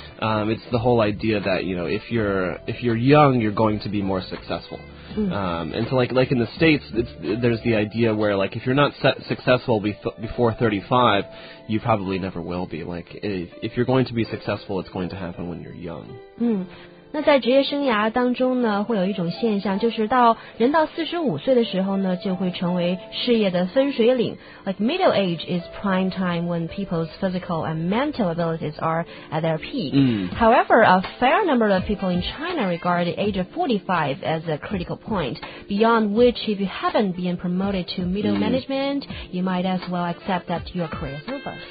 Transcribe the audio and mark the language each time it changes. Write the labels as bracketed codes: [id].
[en] It's the whole idea that, you know, if you're young, you're going to be more successful. Mm-hmm. And so, like in the States, there's the idea where, like, if you're not successful before 35, you probably never will be. Like, if you're going to be successful, it's going to happen when you're young. Mm-hmm. [zh] 那在职业生涯当中呢，会有一种现象，就是到人到45岁的时候呢，就会成为事业的分水岭。 [en] Like middle age is prime time when people's physical and mental abilities are at their peak. However, a fair number of people in China regard the age of 45 as a critical point, beyond which if you haven't been promoted to middle management, you might as well accept that your career is over.